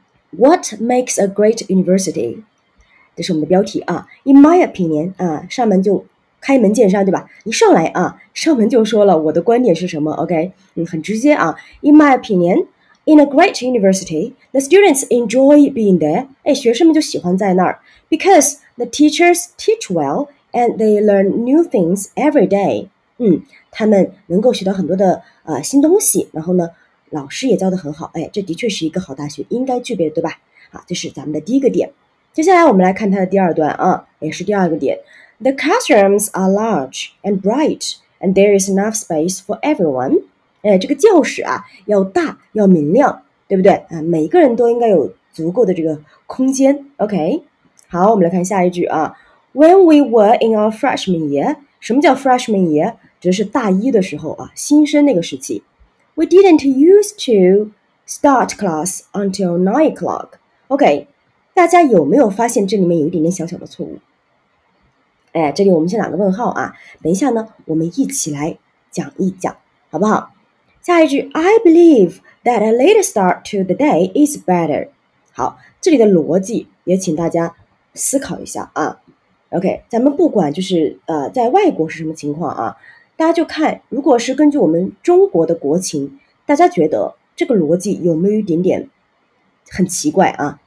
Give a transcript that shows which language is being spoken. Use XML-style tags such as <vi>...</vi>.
<en>What makes a great university？</en> <zh>这是我们的标题啊。</zh> <en>In my opinion，</en> <zh>啊，上门就开门见山，对吧？一上来啊，上门就说了我的观点是什么。</zh> <en>OK，</en> <zh>嗯，很直接啊。</zh> <en>In my opinion， in a great university， the students enjoy being there。</en> <zh>哎，学生们就喜欢在那儿。</zh> <en>Because the teachers teach well and they learn new things every day.</en> <zh>嗯，他们能够学到很多的新东西，然后呢，老师也教得很好。哎，这的确是一个好大学应该具备的，对吧？好，这是咱们的第一个点。接下来我们来看它的第二段啊，也是第二个点。</zh> <en>The classrooms are large and bright, and there is enough space for everyone.</en> <zh>哎，这个教室啊，要大，要明亮，对不对？啊，每个人都应该有足够的这个空间。 OK。 好，我们来看下一句啊。</zh> <en>When we were in our freshman year，</en> <zh>什么叫</zh> <en>freshman year？</en> <zh>指的是大一的时候啊，新生那个时期。</zh> <en>We didn't used to start class until 9 o'clock.</en> <zh>OK， 大家有没有发现这里面有一点点小小的错误？哎，这里我们先打个问号啊。等一下呢，我们一起来讲一讲，好不好？下一句</zh> <en>，I believe that a later start to the day is better.</en> <zh>好，这里的逻辑也请大家思考一下啊。 OK， 咱们不管就是在外国是什么情况啊，大家就看如果是根据我们中国的国情，大家觉得这个逻辑有没有一点点很奇怪啊。</zh>